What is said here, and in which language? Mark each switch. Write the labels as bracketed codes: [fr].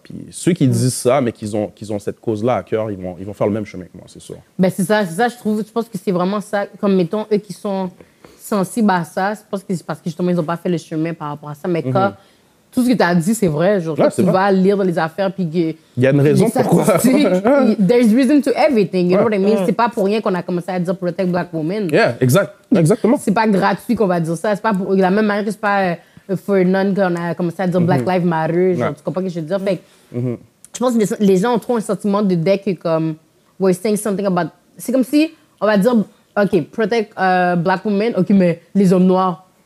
[fr] Puis ceux qui disent ça, mais qu'ils ont cette cause-là à cœur, ils vont faire le même chemin que moi, c'est sûr. Ben c'est ça, je trouve. Je pense que c'est vraiment ça. Comme, mettons, eux qui sont sensibles à ça, je pense que c'est parce que justement, ils n'ont pas fait le chemin par rapport à ça. Mais quand tout ce que tu as dit, c'est vrai, genre, vas lire dans les affaires, puis... Il y a une raison pourquoi. [en] There's reason to everything, you know what I mean? [fr] C'est pas pour rien qu'on a commencé à dire « [en] protect black women ». Yeah, [fr] exactement. C'est pas gratuit qu'on va dire ça. C'est pas pour la même manière que c'est pas... [en] For none, [fr] quand on a commencé à dire Black Lives Matter, genre, tu comprends ce que je veux dire? Fait que, je pense que les gens ont trop un sentiment de dès que, comme, [en] we're saying something about. [fr] C'est comme si on va dire, OK, [en] protect black women, [fr] OK, mais les hommes noirs.